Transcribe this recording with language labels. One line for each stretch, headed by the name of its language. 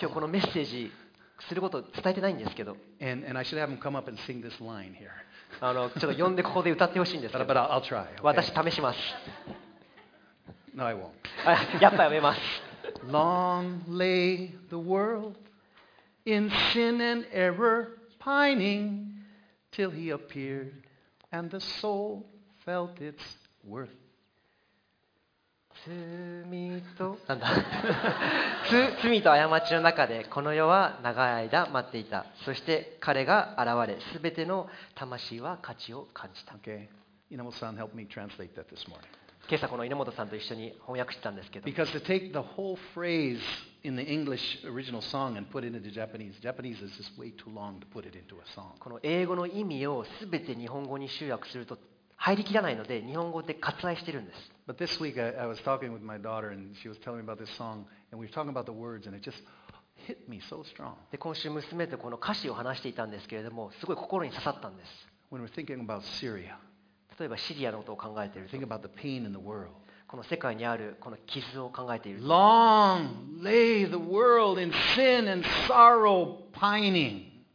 Japanese: 今日このメッセージすることを伝えてないんですけど。
English: And I should have him come up and sing this line here.
Japanese: あのちょっと呼んでここで歌ってほしいんですけど。
English: But I'll try.、Okay.
Japanese: 私試します。
English: No, I won't.
Japanese: やっぱやめます。
English: Long lay the world in sin and error. Pining till he appeared, and the soul felt its worth.
Japanese: 罪と、なんだ。罪と過ちの中でこの世は長い間待っていた。そして彼が現れ、すべての魂は価値を感じた。
English: Okay, 稲本さん、help me translate that this morning.
Japanese: 今朝この稲本さんと一緒に翻訳してたんですけど。
English: Because to take the whole phrase. In the English original song and put it into Japanese. Japanese is just way too long to put it into a song.
Japanese: この英語の意味をすべて日本語に集約すると入りきらないので、日本語で割愛してるんです。
English: But this week I was talking with my daughter and she was telling me about this song and we were talking about the words and it just hit me so strong.
Japanese: で、今週娘とこの歌詞を話していたんですけれども、すごい心に刺さったんです。
English: When we're thinking about Syria,
Japanese: 例えばシリアのことを考えていると、
English: think about the pain in the world.
Japanese: この世界にあるこの傷を考えている。
English: Long lay the world in sin and sorrow pining。